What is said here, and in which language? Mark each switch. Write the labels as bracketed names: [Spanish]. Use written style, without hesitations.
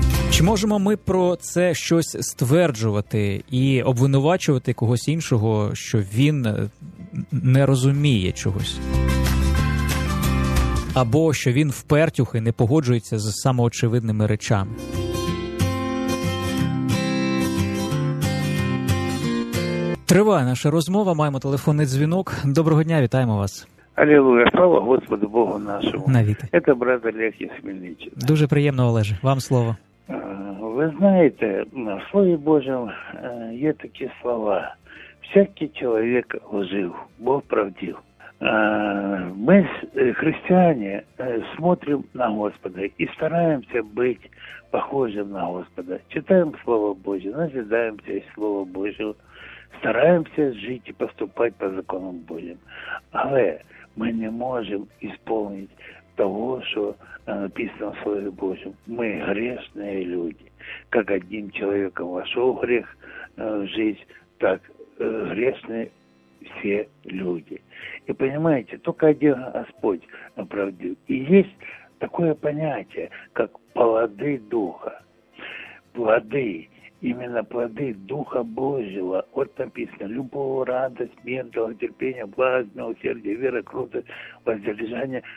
[Ukrainian] Чи можемо ми про це щось стверджувати і обвинувачувати когось іншого, що він не розуміє чогось? Або що він впертюх і не погоджується з самоочевидними речами? Триває наша розмова, маємо телефонний дзвінок. Доброго дня, вітаємо вас. Аллилуйя, слава Господу Богу нашому. Навіть. Це брат Олег із Хмельниччини. Дуже приємно, Олеже, вам слово. Ви знаєте, в Слові Божому є такі слова. Всякий чоловік лжив, Бог правдив. Ми, християни, смотримо на Господа і стараємося бути похожим на Господа. Читаємо Слово Боже, назидаємося Слово Боже, стараємося жити і поступати по законам Божим. Але ми не можемо ісполнити того, що написано в Слові Божому. Ми грішні люди. Як одним чоловіком вийшов гріх в життя, так грішні все люди. [Russian] И понимаете, только один Господь оправдил. И есть такое понятие, как плоды Духа. Плоды, именно плоды Духа Божьего. Вот написано, любовь, радость, мир, долготерпение, благость, милосердие, вера, кротость, воздержание.